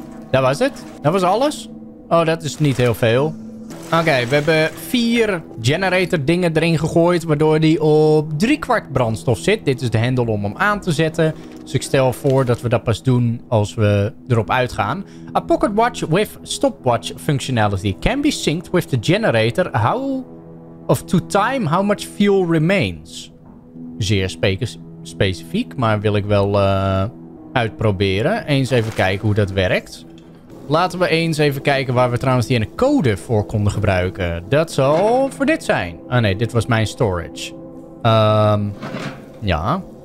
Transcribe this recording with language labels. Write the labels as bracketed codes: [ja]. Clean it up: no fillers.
[nl] Dat was het. Dat was alles. Oh, dat is niet heel veel. Oké, okay, we hebben 4 generator dingen erin gegooid, waardoor die op 3/4 brandstof zit. Dit is de hendel om hem aan te zetten. Dus ik stel voor dat we dat pas doen als we erop uitgaan. [en] A pocket watch with stopwatch functionality can be synced with the generator. How? of to time how much fuel remains. [nl] Zeer specifiek, maar wil ik wel uitproberen. Eens even kijken hoe dat werkt. Laten we eens even kijken waar we trouwens die ene code voor konden gebruiken. Dat zal voor dit zijn. Ah nee, dit was mijn storage. Ja.